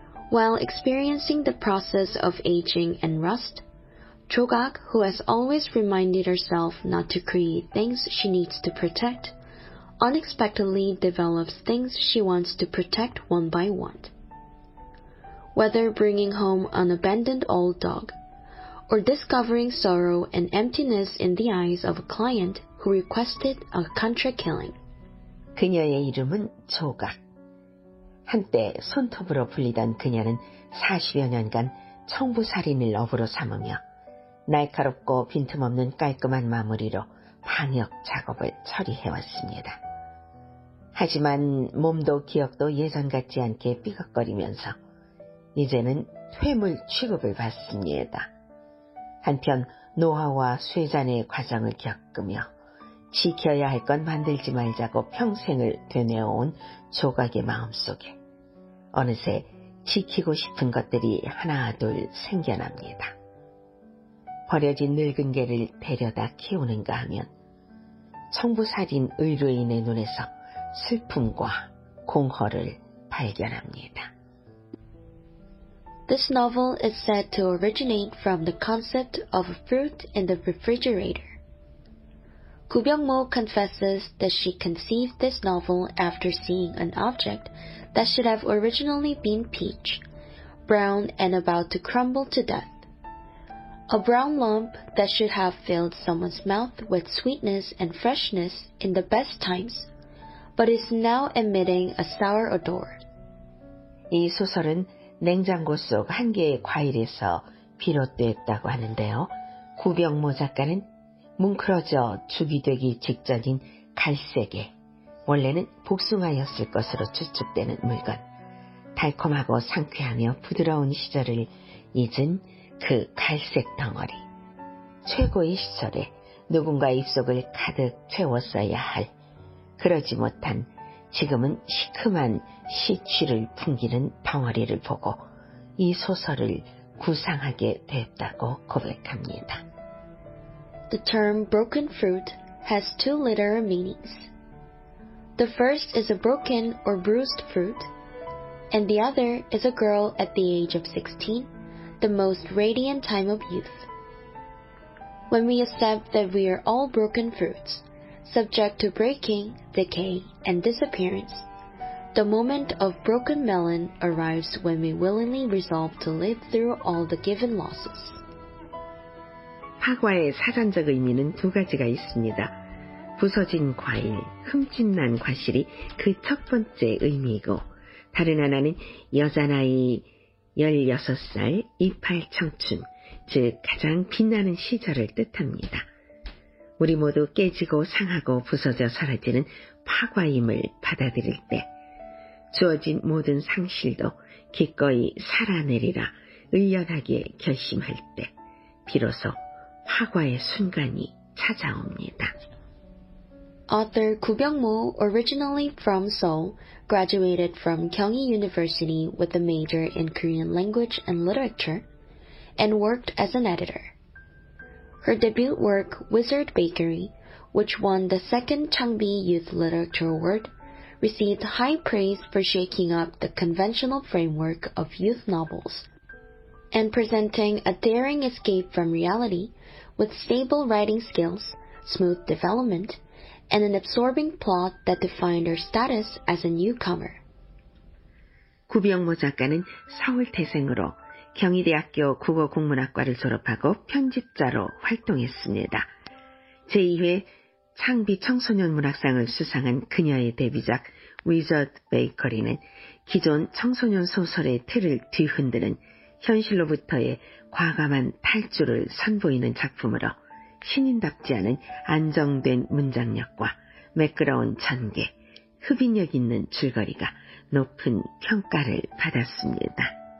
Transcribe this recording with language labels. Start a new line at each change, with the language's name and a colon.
English: While experiencing the process of aging and rust, Jogak, who has always reminded herself not to create things she needs to protect, unexpectedly develops things she wants to protect one by one. Whether bringing home an abandoned old dog, or discovering sorrow and emptiness in the eyes of a client who requested a contract killing.
Korean: 그녀의 이름은 조각. 한때 손톱으로 불리던 그녀는 40여 년간 청부살인을 업으로 삼으며 날카롭고 빈틈없는 깔끔한 마무리로 방역 작업을 처리해왔습니다. 하지만 몸도 기억도 예전 같지 않게 삐걱거리면서 이제는 퇴물 취급을 받습니다. 한편 노화와 쇠잔의 과정을 겪으며 지켜야 할 건 만들지 말자고 평생을 되뇌어온 조각의 마음속에 어느새 지키고 싶은 것들이 하나 둘 생겨납니다. 버려진 늙은 개를 데려다 키우는가 하면 청부살인 의뢰인의 눈에서 슬픔과 공허를 발견합니다.
English: This novel is said to originate from the concept of a fruit in the refrigerator. Ku Byung-mo confesses that she conceived this novel after seeing an object that should have originally been peach, brown and about to crumble to death. A brown lump that should have filled someone's mouth with sweetness and freshness in the best times, but is now emitting a sour odor.
Korean: 이 소설은 냉장고 속 한 개의 과일에서 비롯됐다고 하는데요. 구병모 작가는 뭉클어져 죽이되기 직전인 갈색의, 원래는 복숭아였을 것으로 추측되는 물건, 달콤하고 상쾌하며 부드러운 시절을 잊은 그 갈색 덩어리, 최고의 시절에 누군가 입속을 가득 채웠어야 할, 그러지 못한 지금은 시큼한 시취를 풍기는 덩어리를 보고 이 소설을 구상하게 됐다고 고백합니다.
English: The term broken fruit has two literal meanings. The first is a broken or bruised fruit, and the other is a girl at the age of 16, the most radiant time of youth. When we accept that we are all broken fruits, subject to breaking, decay, and disappearance, the moment of broken melon arrives when we willingly resolve to live through all the given losses.
Korean: 파과의 사전적 의미는 두 가지가 있습니다. 부서진 과일, 흠집난 과실이 그 첫 번째 의미이고, 다른 하나는 여자나이 16살 이팔 청춘, 즉 가장 빛나는 시절을 뜻합니다. 우리 모두 깨지고 상하고 부서져 사라지는 파과임을 받아들일 때 주어진 모든 상실도 기꺼이 살아내리라 의연하게 결심할 때 비로소 파과의 순간이 찾아옵니다.
English: Author 구병모, originally from Seoul, graduated from Kyunghee University with a major in Korean language and literature, and worked as an editor. Her debut work, Wizard Bakery, which won the second Changbi Youth Literature Award, received high praise for shaking up the conventional framework of youth novels and presenting a daring escape from reality with stable writing skills, smooth development, and an absorbing plot that defined her status as a newcomer.
Korean: 구병모 작가는 서울 태생으로 경희대학교 국어국문학과를 졸업하고 편집자로 활동했습니다. 제2회 창비 청소년 문학상을 수상한 그녀의 데뷔작 Wizard Bakery는 기존 청소년 소설의 틀을 뒤흔드는 현실로부터의 과감한 탈출을 선보이는 작품으로 신인답지 않은 안정된 문장력과 매끄러운 전개, 흡인력 있는 줄거리가 높은 평가를 받았습니다.